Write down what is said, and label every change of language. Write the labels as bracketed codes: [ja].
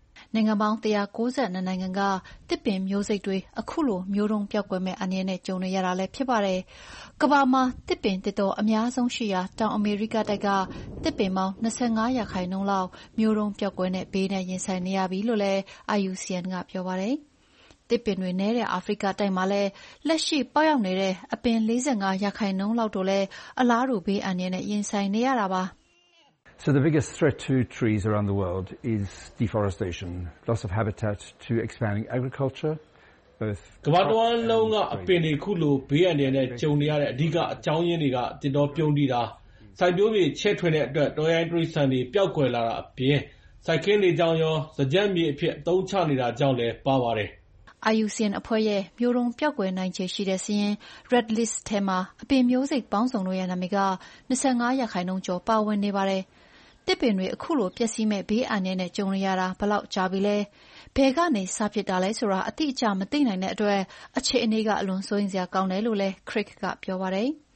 [my] နိုင်ငံပေါင်း192နိုင်ငံကတစ်ပင်မျိုးစိတ်တွေအခုလိုမျိုးတုံးပျောက်ွယ်မဲ့အနေနဲ့ကြုံနေရတာလည်းဖြစ်ပါတယ်ကမ္ဘာမှာတစ်ပင်တစ်တော်အများဆုံးရှိရာတောင်အမေရိကတိုက်ကတစ်ပင်ပေါင်း25ရာခိုင်နှုန်းလောက်မျိုးတုံးပျောက်ကွယ်နဲ့ဘေးနဲ့ရင်ဆိုင်နေရပြီလို့လည်း IUCN ကပြောပါတယ်တစ်ပင်တွေနဲ့တဲ့အာဖရိကတိုက်မှာလည်းလက်ရှိပေါက်ရောက်နေတဲ့အပင်45ရာခိုင်နှုန်းလောက်တို့လည်းအလားတူဘေးအန္တရာယ်နဲ့ရင်ဆိုင်နေရတာပါ [en] So the biggest threat to trees around the world is deforestation loss of habitat to expanding agriculture [my] ကမ္ဘာတဝန်းလုံးကအပင်တွေခုလိုဘေးအန္တရာယ်နဲ့ကြုံနေရတဲ့အဓိကအကြောင်းရင်းတွေကတင်တော်ပြုံးတည်တာစိုက်ပျိုးပြည်ချဲ့ထွင်တဲ့အတွက်တော်ရိုင်းတရိစံတွေပျောက်ကွယ်လာတာအပြင်စိုက်ခင်းနေကြောင်းရောစကြံမြေအဖြစ်အသုံးချနေတာကြောင့်လည်းပါပါတယ် IUCN အဖွဲ့ရဲ့မျိုးတုံးပျောက်ကွယ်နိုင်ခြေရှိတဲ့စရင် Red List ထဲမှာအပင်မျိုးစိတ်ပေါင်းစုံလို့ရတဲ့နာမည်က25ရာခိုင်နှုန်းကျော်ပါဝင်နေပါတယ်တစ်ပင်တွေအခုလိုပျက်စီးမဲ့ဘေးအန္တရာယ်နဲ့ကြုံနေရတာဘလောက်ကြာပြီလဲဘယ်ကနေစဖြစ်တာလဲဆိုတာအတိအကျမသိနိုင်တဲ့အတွက်အခြေအနေကအလွန်စိုးရိမ်စရာကောင်းတယ်လို့လဲခရစ်ကပြောပါတယ်